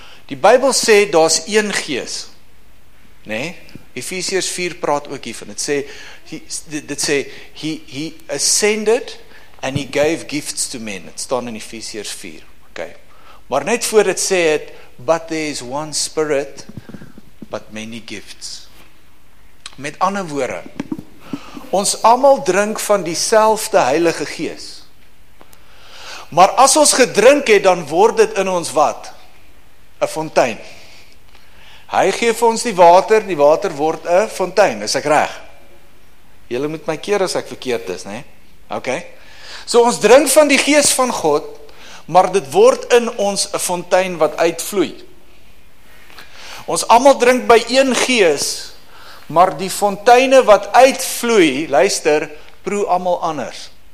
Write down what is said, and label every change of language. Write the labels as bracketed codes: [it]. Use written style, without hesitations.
[af] Die Bybel sê, daar's een gees. Nee? Efesiërs 4 praat ook hiervan. Dit sê, [en] he ascended and he gave gifts to men. [af] Dit staan in Efesiërs 4. Okay. Maar net voor dit sê het, [en] but there is one spirit, but many gifts. [af] Met ander woorde, ons allemaal drink van dieselfde Heilige Gees. Maar as ons gedrink het, dan word dit in ons wat? 'N fontein. Hy gee vir ons die water word 'n fontein, is ek reg? Julle moet my keer as ek verkeerd is, nê? OK. So ons drink van die Gees van God, maar dit word in ons 'n fontein wat uitvloei. Ons allemaal drink by een gees, maar die fonteine wat uitvloei, luister, proe allemaal anders.